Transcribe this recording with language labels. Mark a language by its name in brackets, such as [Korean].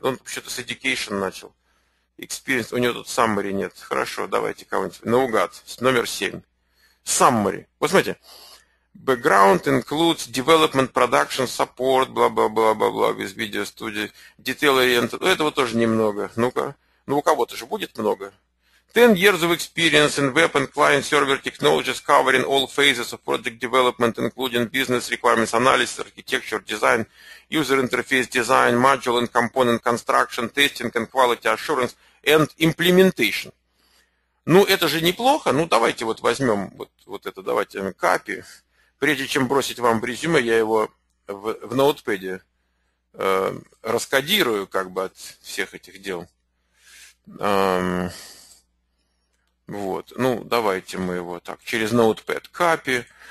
[Russian] Он вообще-то с education начал. Experience, у него тут summary нет. Хорошо, давайте кого-нибудь наугад. Номер 7. [English] Summary. [Russian] Вот смотрите. [English] Background includes development, production, support, [Russian] бла-бла-бла-бла-бла, без видеостудии, [English] detail-oriented. [Russian] Этого тоже немного. Ну-ка. Ну, у кого-то же будет много. [English] 10 years of experience in web and client-server technologies covering all phases of project development, including business requirements, analysis, architecture, design, user interface design, module and component construction, testing and quality assurance, and implementation. [Russian] Ну, это же неплохо. Ну, давайте вот возьмем вот это, давайте копи. Прежде чем бросить вам в резюме, я его в ноутпаде раскодирую как бы от всех этих дел. Вот, ну, давайте мы его так, через ноутпад копи.